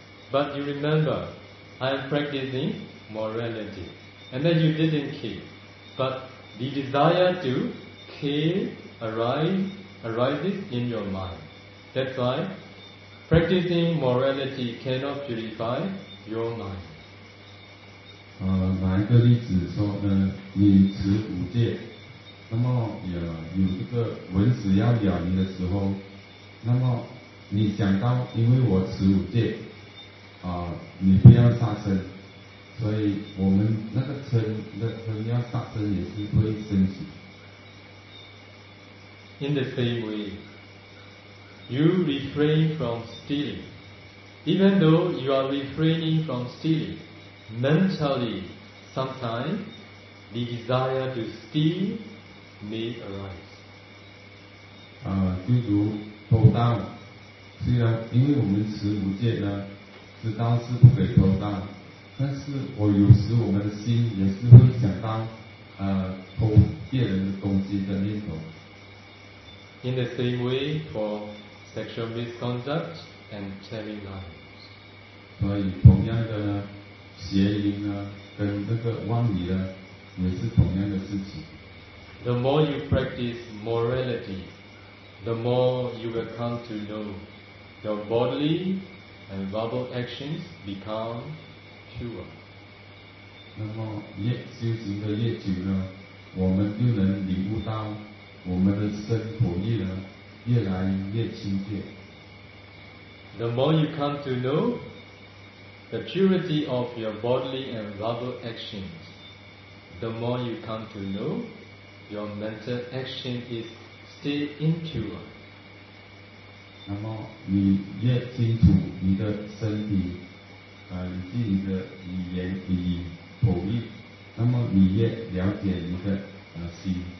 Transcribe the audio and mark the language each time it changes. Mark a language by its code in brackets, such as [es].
[en] But you remember, I am practicing morality. And then you didn't kill. But the desire to kill arises in your mind. That's why practicing morality cannot purify your mind. [zh] 拿一个例子说呢，你持五戒，那么有一个蚊子要咬你的时候，那么你想到因为我持五戒你不要杀生，所以我们那个嗔，那嗔要杀生也是会升起。 [en] In the same way, you refrain from stealing. Even though you are refraining from stealing, mentally, sometimes the desire to steal may arise. [zh] 就如偷盗，虽然因为我们持五戒呢。知道是不可以偷盗，但是我有时我们的心也是会想到，偷别人东西的念头。 [en] In the same way for sexual misconduct and telling lies. [zh] 所以同样的呢，邪淫啊，跟这个妄语啊，也是同样的事情。 [en] The more you practice morality, the more you will come to know your bodily. And verbal actions become pure. [zh] 那么越修行的越久呢，我们就能领悟到我们的身口意呢越来越清洁。 [en] The more you come to know the purity of your bodily and verbal actions, the more you come to know your mental action is still impure. [zh] 那么你越清楚你的身体以及你的语言与口语，那么你越了解你的心。